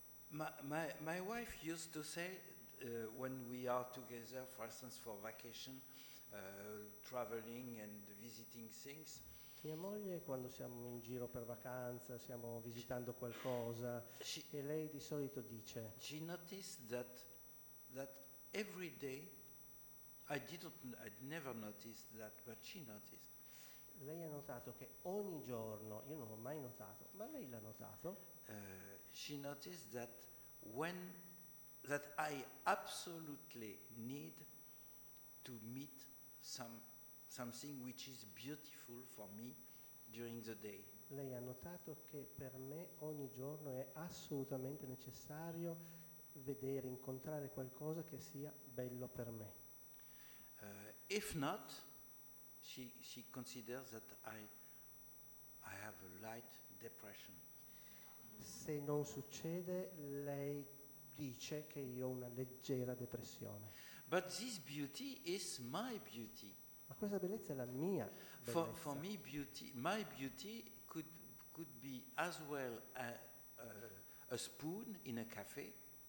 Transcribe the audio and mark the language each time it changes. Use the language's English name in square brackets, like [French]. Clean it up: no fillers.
[English] My wife used to say when we are together, for instance, for vacation, traveling and visiting things. [Italian] Mia moglie, quando siamo in giro per vacanza, stiamo visitando qualcosa, e lei di solito dice. [English] She noticed that every day, I never noticed that, but she noticed. [Italian] Lei ha notato che ogni giorno, io non l'ho mai notato, ma lei l'ha notato. [English] She noticed that when that I absolutely need to meet something which is beautiful for me during the day. [Italian] Lei ha notato che per me ogni giorno è assolutamente necessario vedere, incontrare qualcosa che sia bello per me. [English] If not, she considers that I have a light depression. [Italian] Se non succede, lei dice che io ho una leggera depressione. [English] But this beauty is my beauty. [Italian] Ma questa bellezza è la mia bellezza. [English] For me, beauty, my beauty could be as well a spoon in a cafe.